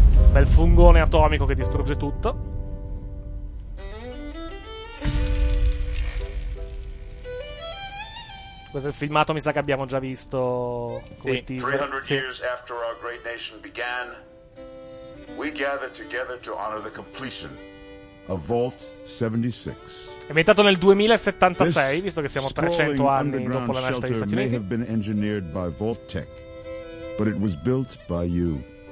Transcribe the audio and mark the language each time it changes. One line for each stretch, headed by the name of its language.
Italian: Bel fungone atomico che distrugge tutto. Questo è il filmato, mi sa che abbiamo già visto come teaser.
English: 300 years after our great nation began, we gather together to honor the completion a Vault 76.
Italian: Inventato nel 2076, visto che siamo 300 anni dopo la nascita degli Stati Uniti.
English: May have been engineered by Vault Tech, but it was built by you.